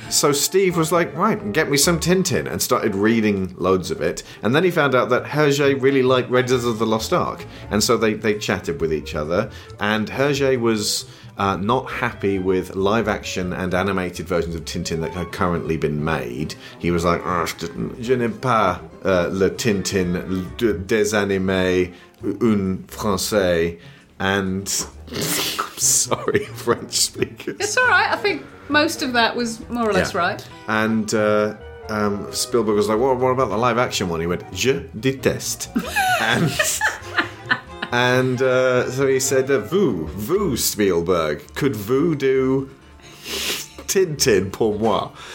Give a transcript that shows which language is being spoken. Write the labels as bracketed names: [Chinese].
[English] So Steve was like, right, get me some Tintin, and started reading loads of it. And then he found out that Hergé really liked Raiders of the Lost Ark. And so they chatted with each other. And Hergé was not happy with live action and animated versions of Tintin that had currently been made. [French] He was like, je n'aime pas le Tintin des animés un français. [English] And I'm sorry, French speakers. It's all right. I think most of that was more or less right. And Spielberg was like, what about the live action one? He went, [French] je déteste. [English] So he said, vous, Spielberg, could vous do Tintin [French] pour moi?